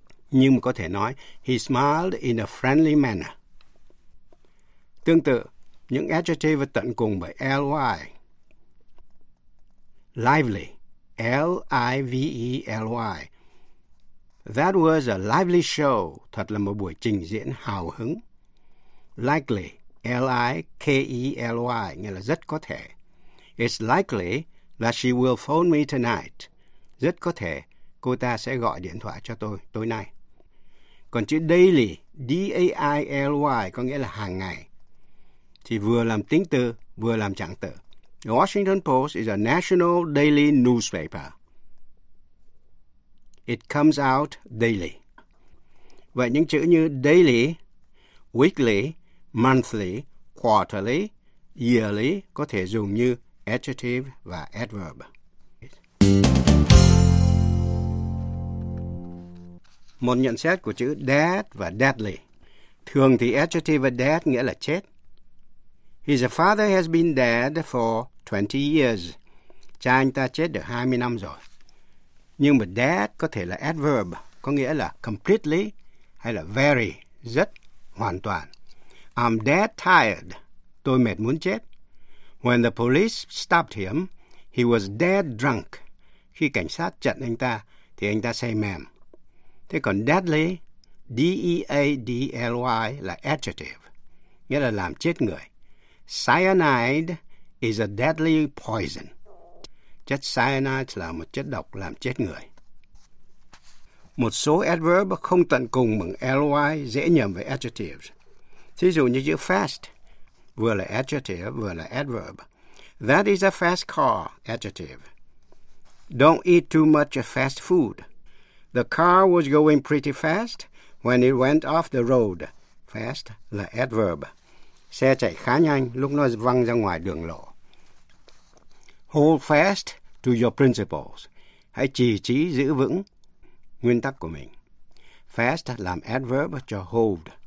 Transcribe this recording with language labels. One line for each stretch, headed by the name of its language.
Vietnamese: Nhưng có thể nói,
English: he smiled in a friendly manner.
Vietnamese: Tương tự, những adjective tận cùng bởi ly.
English: Lively, L-I-V-E-L-Y. That was a lively show.
Vietnamese: Thật là một buổi trình diễn hào hứng. Likely, L-I-K-E-L-Y, nghĩa là rất có thể.
English: It's likely that she will phone me tonight.
Vietnamese: Rất có thể cô ta sẽ gọi điện thoại cho tôi tối nay. Còn chữ daily, D-A-I-L-Y, có nghĩa là hàng ngày. Thì vừa làm tính từ, vừa làm trạng từ.
English: The Washington Post is a national daily newspaper. It comes out daily.
Vietnamese: và những chữ như daily, weekly, monthly, quarterly, yearly có thể dùng như adjective và adverb. Một nhận xét của chữ dead và deadly. Thường thì adjective dead nghĩa là chết.
English: His father has been dead for 20 years.
Vietnamese: Cha anh ta chết được 20 năm rồi. Nhưng mà dead có thể là adverb, có nghĩa là completely hay là very, rất, hoàn toàn.
English: I'm dead tired.
Vietnamese: Tôi mệt muốn chết.
English: When the police stopped him, he was dead drunk.
Vietnamese: Khi cảnh sát chặn anh ta, thì anh ta say mềm. Thế còn deadly, D-E-A-D-L-Y là adjective, nghĩa là làm chết người.
English: Cyanide is a deadly poison.
Vietnamese: Chất cyanide là một chất độc làm chết người. Một số adverb không tận cùng bằng ly dễ nhầm với adjectives. Thí dụ như chữ fast, vừa là adjective vừa là adverb.
English: That is a fast car, adjective. Don't eat too much fast food. The car was going pretty fast when it went off the road.
Vietnamese: Fast là adverb. Xe chạy khá nhanh lúc nó văng ra ngoài đường lộ.
English: Hold fast to your principles.
Vietnamese: Hãy chỉ trí giữ vững nguyên tắc của mình. Fast làm adverb cho hold.